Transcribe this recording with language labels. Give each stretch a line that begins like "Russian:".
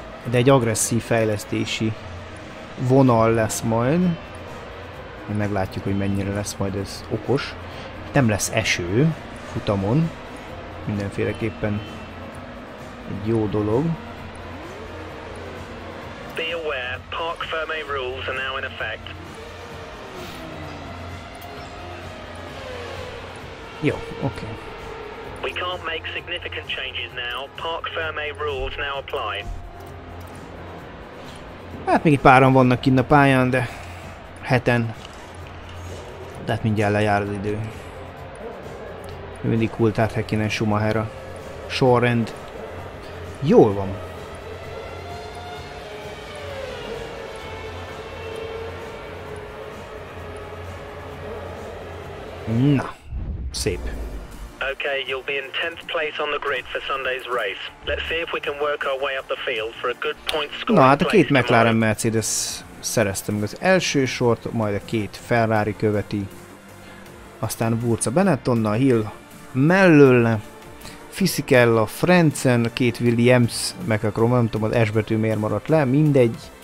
Hungarian: De egy agresszív fejlesztési vonal lesz majd. Meglátjuk, hogy mennyire lesz majd ez okos. Nem lesz eső futamon. Mindenféleképpen egy jó dolog.
English: Be aware, Park Fermé rules are now in effect.
Hungarian: Jó, oké.
English: We can't make significant changes now. Park Fermé rules now apply.
Hungarian: Hát még egy páran vannak kint a pályán, de heten. De hát mindjárt lejár az idő. Mindig Coulthard, Häkkinen, Schumacher a sorrend. Jól van. Na. Szép.
English: Okay, you'll be in 10th place on the grid for Sunday's race. Let's see if we can work our way up the field for a good point score.
Hungarian: Na, hát a két McLaren Mercedes szerezte meg az első sort, majd a két Ferrari követi. Aztán Wurz a Benettonnal, Hill mellőle, Fisichella, Frentzen, a két Williams, meg a Chrome, nem tudom, az S betű miért maradt le, mindegy.